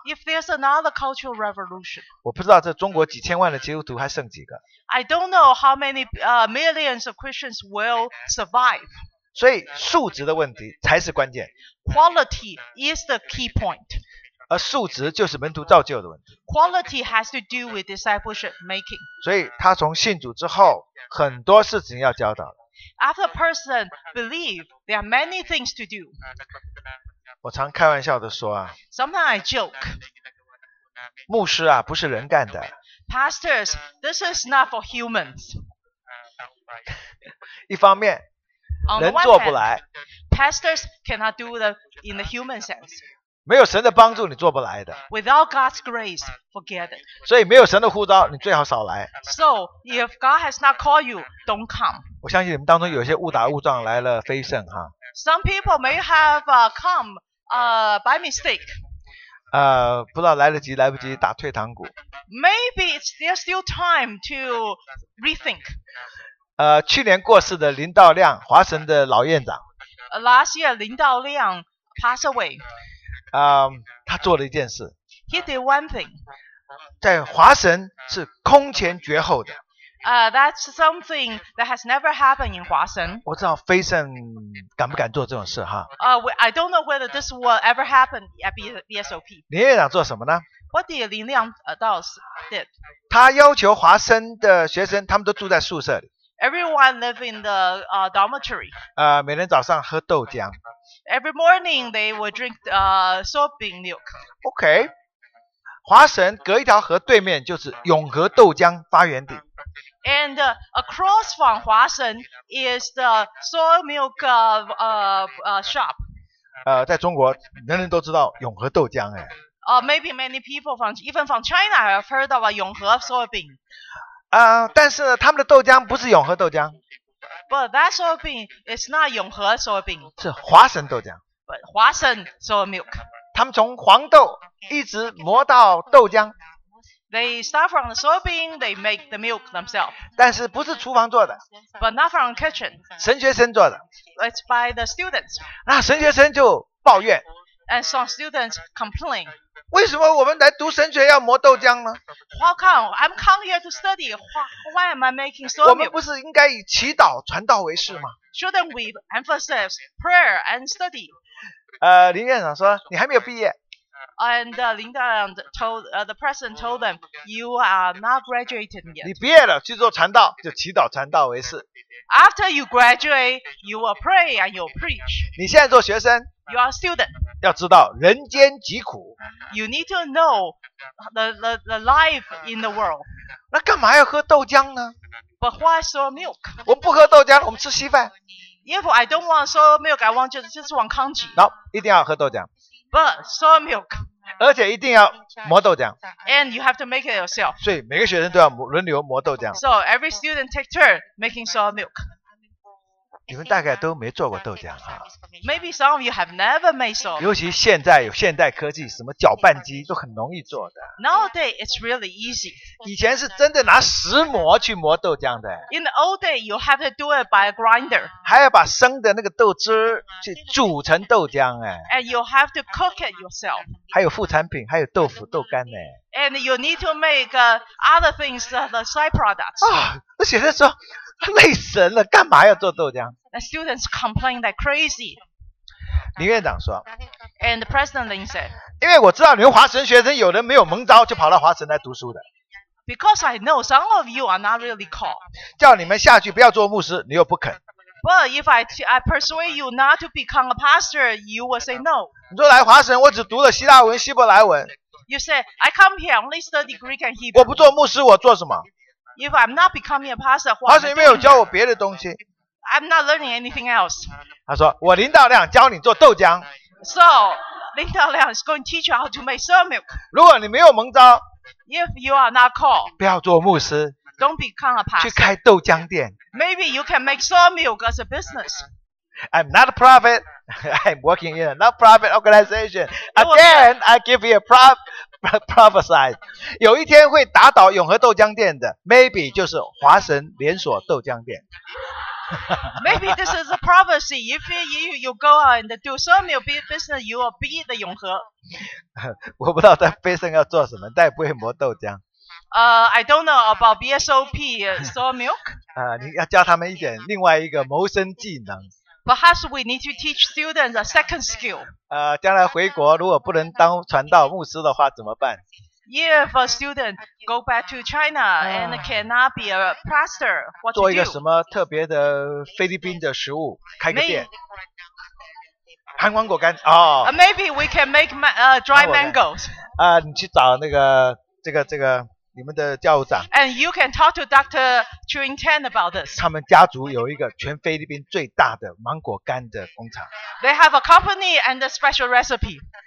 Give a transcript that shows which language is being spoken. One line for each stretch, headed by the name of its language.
English: If there's another cultural revolution.
Chinese: 我不知道这中国几千万的基督徒还剩几个。
English: I don't know how many millions of Christians will survive.
Chinese: 所以数值的问题才是关键。
English: Quality is the key point.
Chinese: 而数值就是门徒造就的问题。
English: Quality has to do with discipleship making.
Chinese: 所以他从信主之后很多事情要教导。
English: After a person believes, there are many things to do.
Chinese: 我常开玩笑的说啊。
English: Sometimes I joke.
Chinese: 牧师啊不是人干的。
English: Pastors, this is not for humans.
Chinese: 一方面人做不来。
English: Pastors cannot do it in the human sense.
Chinese: 没有神的帮助，你做不来的。
English: Without God's grace, forget it.
Chinese: 所以没有神的呼召，你最好少来。
English: So if God has not called you, don't come.
Chinese: 我相信你们当中有些误打误撞来了非圣哈。
English: Some people may have come by mistake.
Chinese: 不知道来得及来不及打退堂鼓。
English: Maybe there's still time to rethink.
Chinese: 去年过世的林道亮，华神的老院长。
English: Last year, 林道亮 passed away.
Chinese: 他做了一件事。
English: He did one thing.
Chinese: 在华神是空前绝后的。
English: That's something that has never happened in 华神。
Chinese: 我知道非圣敢不敢做这种事哈。
English: I don't know whether this will ever happen at BSOP.
Chinese: 林院长做什么呢？
English: What did 林亮 adults did?
Chinese: 他要求华神的学生他们都住在宿舍里。
English: Everyone live in the dormitory.
Chinese: 每天早上喝豆浆。
English: Every morning they would drink soybean milk. Okay.
Chinese: 华神隔一条河对面就是永和豆浆发源地。
English: And across from 华神 is the soy milk shop.
Chinese: 在中国人人都知道永和豆浆哎。
English: Maybe many people from China have heard about 永和 soybean.
Chinese: 但是他们的豆浆不是永和豆浆。
English: But that soybean is not 永和 soybean.
Chinese: 是华神豆浆。
English: But 华神 soy milk.
Chinese: 他们从黄豆一直磨到豆浆。
English: They start from the soybean, they make the milk themselves.
Chinese: 但是不是厨房做的。
English: But not from kitchen.
Chinese: 神学生做的。
English: It's by the students.
Chinese: 那神学生就抱怨。
English: And some students complain.
Chinese: 为什么我们来读神学要磨豆浆呢？
English: How come? I'm come here to study. Why am I making soy milk?
Chinese: 我们不是应该以祈祷传道为事吗？
English: Shouldn't we emphasize prayer and study?
Chinese: 林院长说你还没有毕业。
English: And the president told them, you are not graduated yet.
Chinese: 你毕业了去做传道，就祈祷传道为事。
English: After you graduate, you will pray and you will preach.
Chinese: 你现在做学生。
English: You are a student.
Chinese: 要知道人间疾苦。
English: You need to know the life in the world.
Chinese: 那干嘛要喝豆浆呢？
English: But why soy milk?
Chinese: 我不喝豆浆，我们吃稀饭。
English: If I don't want soy milk, I want just want congee. No,
Chinese: 一定要喝豆浆。
English: But soy milk.
Chinese: 而且一定要磨豆浆。
English: And you have to make it yourself.
Chinese: 所以每个学生都要轮流磨豆浆。
English: So every student take turn making soy milk.
Chinese: 你们大概都没做过豆浆啊。
English: Maybe some of you have never made soy milk.
Chinese: 尤其现在有现代科技，什么搅拌机都很容易做的。
English: Nowadays it's really easy.
Chinese: 以前是真的拿石磨去磨豆浆的。
English: In the old day, you have to do it by a grinder.
Chinese: 还要把生的那个豆汁去煮成豆浆哎。
English: And you have to cook it yourself.
Chinese: 还有副产品，还有豆腐、豆干呢。
English: And you need to make other things, the side products.
Chinese: 那学生说。累死人了，干嘛要做豆浆？
English: The students complain like crazy.
Chinese: 林院长说。
English: And the president Lin said.
Chinese: 因为我知道你们华神学生有人没有蒙召就跑到华神来读书的。
English: Because I know some of you are not really called.
Chinese: 叫你们下去不要做牧师，你又不肯。
English: But if I persuade you not to become a pastor, you will say no.
Chinese: 你说来华神，我只读了希腊文、希伯来文。
English: You say I come here only study Greek and Hebrew.
Chinese: 我不做牧师，我做什么？
English: If I'm not becoming a pastor,
Chinese: 华神没有教我别的东西。
English: I'm not learning anything else.
Chinese: 他说，我林道亮教你做豆浆。
English: So, 林道亮 is going to teach you how to make soy milk.
Chinese: 如果你没有蒙召，
English: If you are not called,
Chinese: 不要做牧师。
English: Don't become a pastor.
Chinese: 去开豆浆店。
English: Maybe you can make soy milk as a business. I'm not a prophet. I'm working in a non-profit organization. Again, I give you a prophecy.
Chinese: 有一天会打倒永和豆浆店的 ，
English: maybe
Chinese: 就是华神连锁豆浆店。
English: Maybe this is a prophecy. If you go out and do some new business, you will be the 永和。
Chinese: 我不知道在飞升要做什么，但也不会磨豆浆。
English: I don't know about BSOP, soy milk.
Chinese: 你要教他们一点另外一个谋生技能。
English: Perhaps we need to teach students a second skill.
Chinese: 将来回国如果不能当传道牧师的话怎么办？
English: If a student go back to China and cannot be a pastor, what to do?
Chinese: 做一个什么特别的菲律宾的食物，开个店。韩国果干哦。
English: Maybe we can make dry mangoes.
Chinese: 你去找那个这个你们的教务长。
English: And you can talk to Dr. Chuin Tan about this.
Chinese: 他们家族有一个全菲律宾最大的芒果干的工厂。
English: They have a company and a special recipe.